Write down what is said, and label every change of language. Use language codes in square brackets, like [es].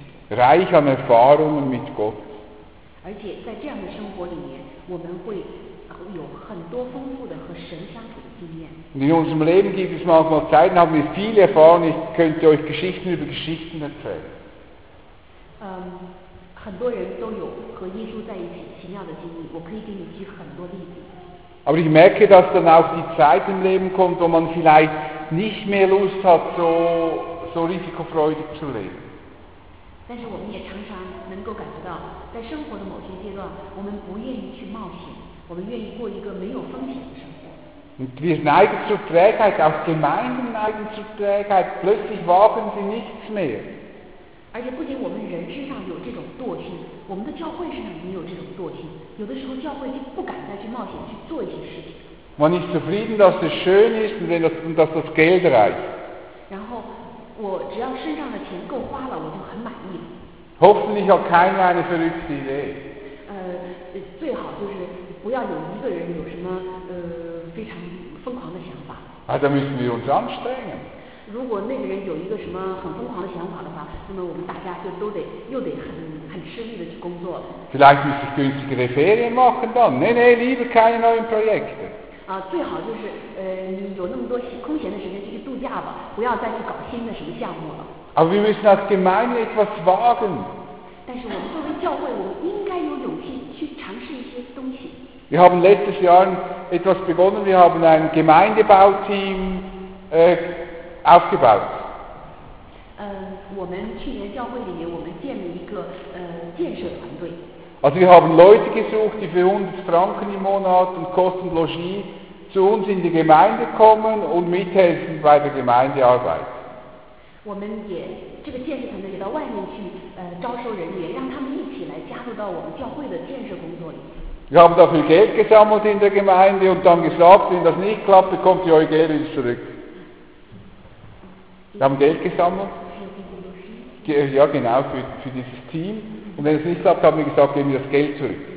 [de] Reich an Erfahrungen mit Gott. Und in unserem Leben gibt es manchmal Zeiten, haben wir viele Erfahrungen, ich könnte euch Geschichten über Geschichten erzählen. [zh] 很多人都有和耶稣在一起奇妙的经历，我可以给你举很多例子。 [de] Aber ich merke, dass dann auch die Zeit im Leben kommt, wo man vielleicht nicht mehr Lust hat, so risikofreudig zu leben. [zh] 但是我们也常常能够感觉到，在生活的某些阶段，我们不愿意去冒险，我们愿意过一个没有风险的生活。 [de] Und wir neigen zur Trägheit, auch Gemeinden neigen zur Trägheit, plötzlich wagen sie nichts mehr. [zh] 而且不仅我们人身上有这种惰性，我们的教会身上也有这种惰性，有的时候教会就不敢再去冒险去做一些事情。 [de] Man ist zufrieden, dass es schön ist und dass das Geld reicht. [zh] 然后我只要身上的钱够花了，我就很满意了。 [de] Hoffentlich hat keiner eine verrückte Idee. [zh] 最好就是不要有一个人有什么非常疯狂的想法。 [de] Da müssen wir uns anstrengen. [zh] 如果那个人有一个什么很疯狂的想法的话，那么我们大家就都得又得很吃力的去工作了。 [de] Vielleicht müsste ich günstigere Ferien machen dann. Lieber keine neuen Projekte. [zh] 最好就是你有那么多空闲的时间就去度假吧，不要再去搞新的什么项目了。 [de] Aber wir müssen als Gemeinde etwas wagen. [zh] 但是我们作为教会，我们应该有勇气去尝试一些东西。 [de] Wir haben letztes Jahr etwas begonnen. Wir haben ein Gemeindebauteam. Aufgebaut. [zh] 我们去年教会里面，我们建了一个建设团队。 [de] Also wir haben Leute gesucht, die für 100 Franken im Monat und Kosten Logis zu uns in die Gemeinde kommen und mithelfen bei der Gemeindearbeit. [zh] 我们也这个建设团队也到外面去招收人员，让他们一起来加入到我们教会的建设工作里。 [de] Wir haben dafür Geld gesammelt in der Gemeinde und dann gesagt, wenn das nicht klappt, bekommt ihr euer Geld wieder zurück. Wir haben Geld gesammelt. Ja, genau, für dieses Team. Und wenn es nicht klappt, haben wir gesagt, geben wir das Geld zurück.